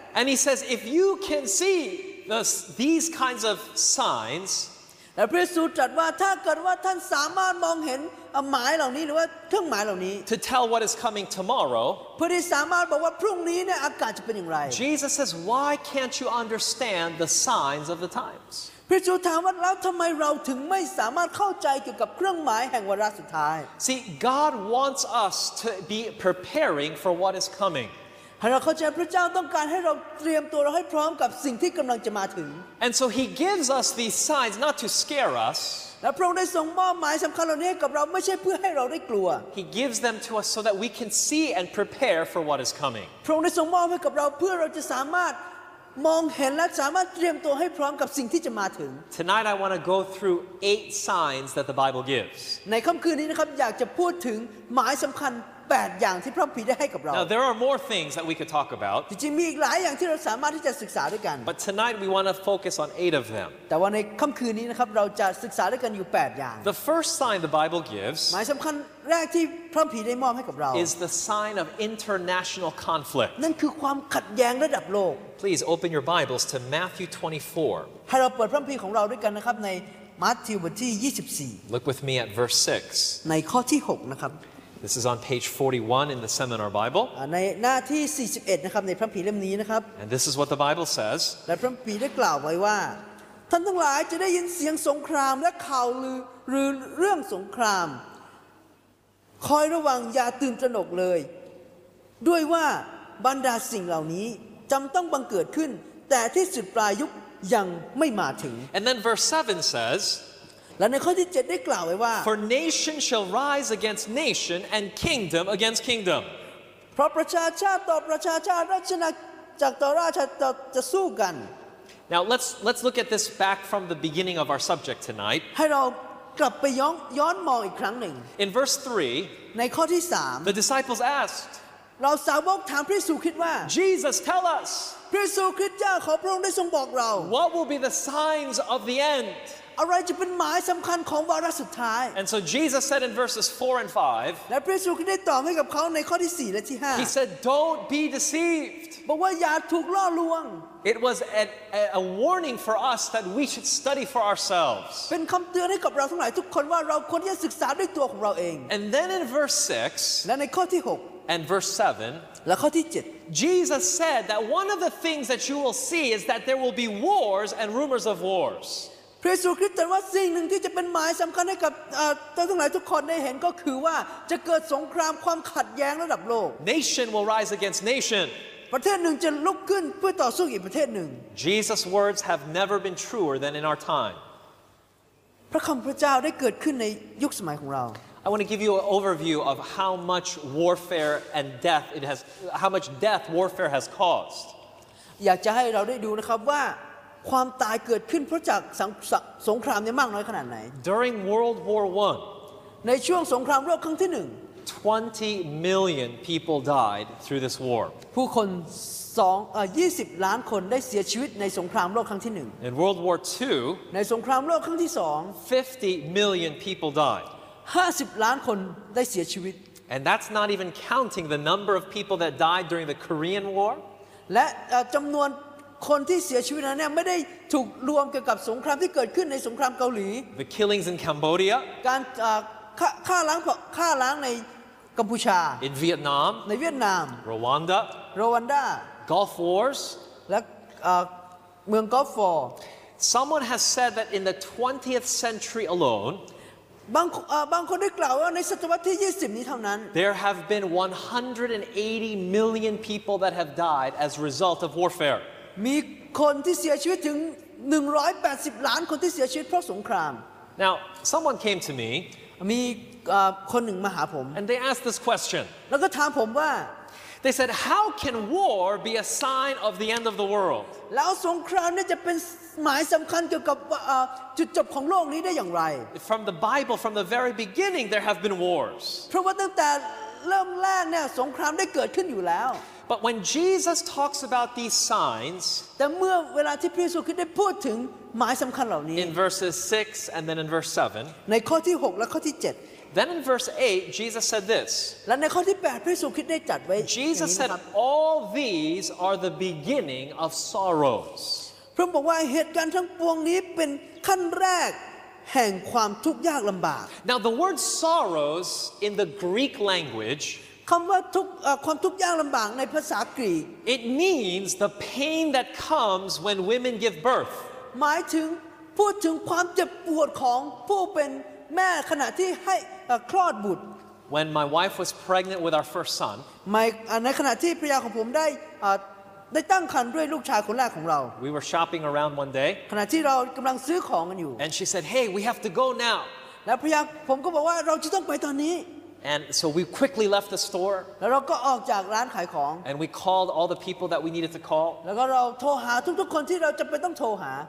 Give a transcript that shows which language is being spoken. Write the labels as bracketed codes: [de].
[en] And he says if you can see these kinds of signs [th] และพระเยซูตรัสว่าถ้าเกิดว่าท่านสามารถมองเห็นหมายเหล่านี้หรือว่าเครื่องหมายเหล่านี้ [en] to tell what is coming tomorrow [th] เพื่อที่สามารถบอกว่าพรุ่งนี้เนี่ยอากาศจะเป็นอย่างไร [en] Jesus says why can't you understand the signs of the times [th] พระเยซูถามว่าแล้วทำไมเราถึงไม่สามารถเข้าใจเกี่ยวกับเครื่องหมายแห่งวาระสุดท้าย [en] See God wants us to be preparing for what is coming [th] ให้เราเข้าใจพระเจ้าต้องการให้เราเตรียมตัวเราให้พร้อมกับสิ่งที่กำลังจะมาถึง [en] And so He gives us these signs not to scare us [th] และพระองค์ได้ทรงมอบหมายสำคัญเหล่านี้กับเราไม่ใช่เพื่อให้เราได้กลัว [en] He gives them to us so that we can see and prepare for what is coming [th] พระองค์ได้ทรงมอบให้กับเราเพื่อเราจะสามารถมองเห็นและสามารถเตรียมตัวให้พร้อมกับสิ่งที่จะมาถึง [en] Tonight I want to go through 8 signs that the Bible gives [th] ในค่ำคืนนี้นะครับอยากจะพูดถึงหมายสำคัญ8อย่างที่พระผีได้ให้กับเรา [en] Now there are more things that we could talk about [th] จริงๆมีอีกหลายอย่างที่เราสามารถที่จะศึกษาด้วยกัน [en] But tonight we want to focus on 8 of them [th] แต่ว่าในค่ำคืนนี้นะครับเราจะศึกษาด้วยกันอยู่8อย่าง [en] The first sign the Bible gives [th] หมายสำคัญแรกที่พระผีได้มอบให้กับเรา [en] is the sign of international conflict [th] นั่นคือความขัดแย้งระดับโลก [en] Please open your Bibles to Matthew 24 [th] ให้เราเปิดพระผีของเราด้วยกันนะครับในมัทธิวบทที่24 [en] Look with me at verse 6 [th] ในข้อที่6นะครับ [en] This is on page 41 in the Seminar Bible. [th] ในหน้าที่41นะครับในพระคัมภีร์เล่มนี้นะครับ [en] And this is what the Bible says. [th] และพระคัมภีร์ได้กล่าวไว้ว่าท่านทั้งหลายจะได้ยินเสียงสงครามและข่าวลือหรือเรื่องสงครามคอยระวังอย่าตื่นตระหนกเลยด้วยว่าบรรดาสิ่งเหล่านี้จำต้องบังเกิดขึ้นแต่ที่สุดปลายยุคยังไม่มาถึง [en] And then verse 7 says. [th] และในข้อที่7ได้กล่าวไว้ว่า [en] For nation shall rise against nation and kingdom against kingdom [th] เพราะประชาชาติต่อประชาชาติราชนาจักรต่อราชจะสู้กัน [en] Now let's look at this back from the beginning of our subject tonight [th] ให้เรากลับไปย้อนมองอีกครั้งหนึ่ง [en] In verse 3 [th] ในข้อที่3 [en] The disciples asked [th] เราสาวกถามพระเยซูคริสต์ว่า [en] Jesus tell us [th] พระเยซูคริสต์เจ้าขอพระองค์ได้ทรงบอกเรา [en] What will be the signs of the end [th] อะไรจะเป็นหมายสำคัญของวาระสุดท้าย [en] And so Jesus said in verses 4 and 5 [th] และพระเยซูคริสต์ได้ตอบให้กับเขาในข้อที่4และที่5 [en] He said don't be deceived [th] บอกว่าอย่าถูกล่อลวง [en] It was a warning for us that we should study for ourselves [th] เป็นคำเตือนให้กับเราทั้งหลายทุกคนว่าเราควรที่จะศึกษาด้วยตัวของเราเอง [en] And then in verse 6 [th] และในข้อที่6 [en] And verse 7 [th] และข้อที่7 [en] Jesus said that one of the things that you will see is that there will be wars and rumors of wars [th] พระเยซูคริสต์ตรัสว่าสิ่งหนึ่งที่จะเป็นหมายสำคัญให้กับทั้งหลายทุกคนได้เห็นก็คือว่าจะเกิดสงครามความขัดแย้งระดับโลก [en] Nation will rise against nation [th] ประเทศหนึ่งจะลุกขึ้นเพื่อต่อสู้อีกประเทศหนึ่ง [en] Jesus' words have never been truer than in our time [th] พระคำพระเจ้าได้เกิดขึ้นในยุคสมัยของเรา [en] I want to give you an overview of how much warfare and death it has how much death warfare has caused [th] อยากจะให้เราได้ดูนะครับว่าความตายเกิดขึ้นเพราะจากสงครามนี้มากน้อยขนาดไหน [en] During World War 1 [th] ในช่วงสงครามโลกครั้งที่1 [en] 20 million people died through this war. [th] ผู้คน2 20ล้านคนได้เสียชีวิตในสงครามโลกครั้งที่1 [en] In World War 2, [th] ในสงครามโลกครั้งที่2 [en] 50 million people died. [th] 50ล้านคนได้เสียชีวิต [en] And that's not even counting the number of people that died during the Korean War. [th] และจํานวนคนที่เสียชีวิตนั้นเนี่ยไม่ได้ถูกรวมเกี่ยวกับสงครามที่เกิดขึ้นในสงครามเกาหลี [en] The killings in Cambodia. [th] การฆ่าล้างในกัมพูชา [en] In Vietnam. [th] ในเวียดนาม [en] Rwanda. Rwanda. Gulf Wars. [th] และเมืองกัลฟ์วอร์ [en] Someone has said that in the 20th century alone. [th] บางคนได้กล่าวว่าในศตวรรษที่20นี้เท่านั้น [en] There have been 180 million people that have died as a result of warfare [th] มีคนที่เสียชีวิตถึง180ล้านคนที่เสียชีวิตเพราะสงคราม [en] Now someone came to me [th] มีคนหนึ่งมาหาผม [en] And they asked this question [th] แล้วก็ถามผมว่า [en] They said how can war be a sign of the end of the world [th] แล้วสงครามนี่จะเป็นหมายสำคัญเกี่ยวกับจุดจบของโลกนี้ได้อย่างไร [en] From the Bible, from the very beginning, there have been wars. [th] เพราะว่าตั้งแต่เริ่มแรกเนี่ยสงครามได้เกิดขึ้นอยู่แล้ว [en] But when Jesus talks about these signs, [th] แต่เมื่อเวลาที่พระเยซูคริสต์ได้พูดถึงหมายสำคัญเหล่านี้ [en] In verses 6 and then in verse 7, [th] ในข้อที่6และข้อที่7 [en] Then in verse 8, Jesus said this. [th] และในข้อที่8พระเยซูคริสต์ได้จัดไว้ [en] Jesus said, "All these are the beginning of sorrows." [th] พระองค์บอกว่าเหตุการณ์ทั้งปวงนี้เป็นขั้นแรกแห่งความทุกข์ยากลำบาก [en] Now the word sorrows in the Greek language [th] คำว่าทุกความทุกข์ยากลำบากในภาษากรีก [en] It means the pain that comes when women give birth [th] หมายถึงพูดถึงความเจ็บปวดของผู้เป็นแม่ขณะที่ให้คลอดบุตร [en] When my wife was pregnant with our first son [th] ในขณะที่ภรรยาของผมได้ตั้งครรภ์ด้วยลูกชายคนแรกของเรา [en] We were shopping around one day [th] ขณะที่เรากำลังซื้อของกันอยู่ [en] And she said, "Hey, we have to go now." [th] และพยายามผมก็บอกว่าเราจะต้องไปตอนนี้ [en] And so we quickly left the store [th] แล้วเราก็ออกจากร้านขายของ [en] And we called all the people that we needed to call [th] แล้วก็เราโทรหาทุกๆคนที่เราจำเป็นต้องโทรหา